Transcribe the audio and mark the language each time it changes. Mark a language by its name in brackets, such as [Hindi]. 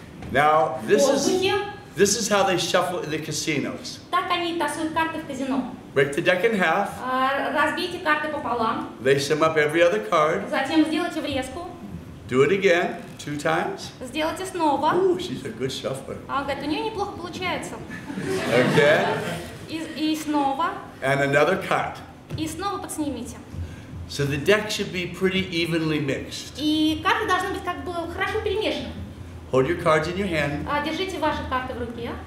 [English] Now this is how they shuffle in the casinos. [Russian] Так они тасуют карты в казино. [English] Break the deck in half. [Russian] Разбейте карты пополам. [English] Lace them up every other card. [Russian] Затем сделайте врезку. [English] Do it again, two times. [Russian] Сделайте снова. [English] Ooh, she's a good shuffler. [Russian] Она говорит, у нее неплохо получается. [English] Okay. [Russian] И снова. [English] And another cut. [Russian] И снова подснимите. [English] So the deck should be pretty evenly mixed. [Russian] И карты должны быть как бы хорошо перемешаны. [English] Hold your cards in your hand. [Russian] Держите ваши карты в руке.